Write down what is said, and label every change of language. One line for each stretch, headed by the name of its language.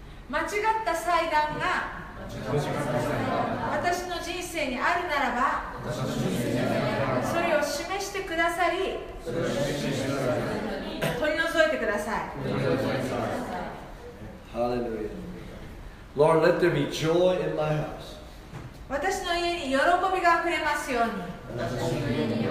Japanese: 間違った祭壇が私の人生にあるならば、それを示してくださり、取り除いてください。ハレルヤ。
English: Lord, let there be joy in my house.
Japanese: 私の家に喜びが溢れますように。